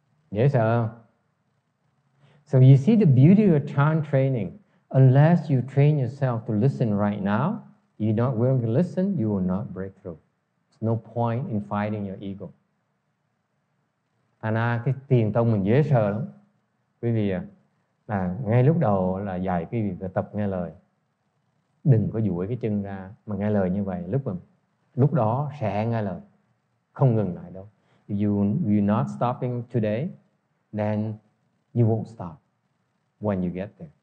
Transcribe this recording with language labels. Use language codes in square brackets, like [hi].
[vi] Dễ sợ không? [en] So you see the beauty of chant training. Unless you train yourself to listen right now, you're not willing to listen, you will not break through. There's no point in fighting your ego. [vi] Thành ra cái thiền tông mình dễ sợ lắm. Quý vị là ngay lúc đầu là dạy quý vị tập nghe lời. Đừng có duỗi cái chân ra mà nghe lời như vậy. Lúc đó sẽ nghe lời. Không ngừng lại đâu. [en] If you're not stopping today, then you won't stop when you get there.